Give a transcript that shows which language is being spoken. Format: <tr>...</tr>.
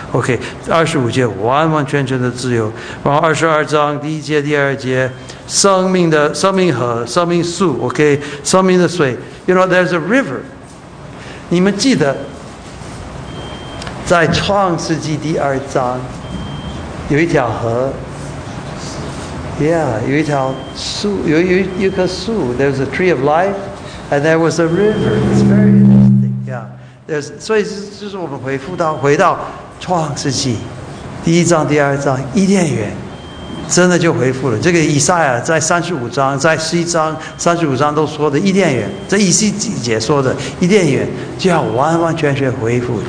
<zh>OK, 二十五节完完全全的自由。然后二十二章第一节、第二节，生命河、生命树。</zh> <en>OK,</en> <zh>生命的水。</zh> <en>You know, there's a river.</en> <zh>你们记得，在创世纪第二章，有一条河。 Yeah, 有一条树，有一棵树。</zh> <en>There's a tree of life, and there was a river. It's very interesting. Yeah.</en> <zh>所以就是我们回到创世纪第一章、第二章，伊甸园真的就恢复了。这个以赛亚在三十五章、在十一章、三十五章都说的伊甸园，在以西结说的伊甸园就要完完全全恢复。</zh>